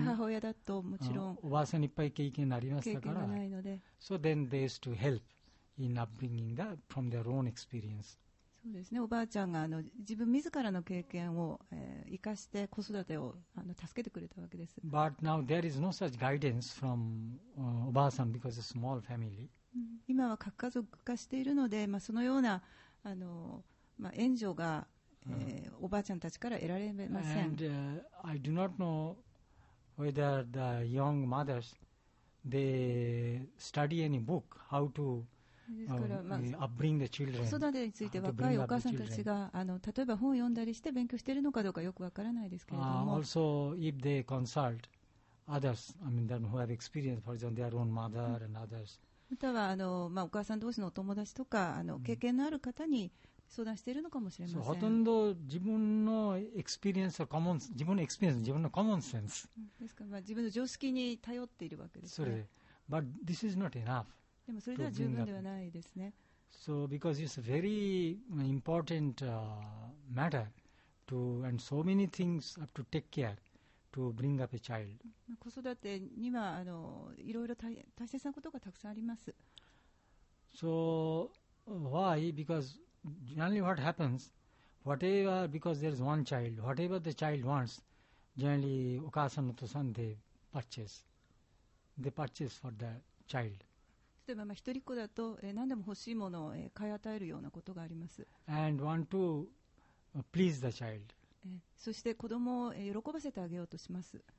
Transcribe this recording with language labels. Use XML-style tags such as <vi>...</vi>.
<ja>若い母親だともちろん、おばあさんいっぱい経験ありましたから、経験がないので、</ja> <en>so then they used to help in upbringing that from their own experience.</en> <ja>そうですね。おばあちゃんが自分自らの経験を生かして子育てを助けてくれたわけです。</ja> <en>But now there is no such guidance from おばあさん because a small family.</en> <ja>今は核家族化しているので、まあ、そのような援助が、おばあちゃんたちから得られません。</ja> <en>And I do not know whether the young mothers they study any book how to</en> <ja>子育てについて若いお母さんたちが例えば本を読んだりして勉強しているのかどうかよくわからないですけれども、</ja> <en>also if they consult others, I mean then who have experience, for example their own mother and others、</en> <ja>または、お母さん同士のお友達とか経験のある方に相談しているのかもしれません。 so, ほとんど自分のエクスペリエンス、自分のエクスペリエンス、自分のコモンセンスですから、自分の常識に頼っているわけですね。それで</ja> <en>but this is not enough。</en> <ja>でもそれでは十分ではないですね。</ja> <en>So because it's a very important matter to and so many things have to take care to bring up a child. 子育てにはいろいろ大切なことがたくさんあります。 So why? Because generally what happens, whatever because there is one child, whatever the child wants, generally</en> <ja>お母さんお父さん</ja> <en>they purchase for the child.</en> <ja>例えば一人っ子だと何でも欲しいものを買い与えるようなことがあります。</ja> <en>And want to please the child.</en> <ja>そして子供を喜ばせてあげようとします。</ja>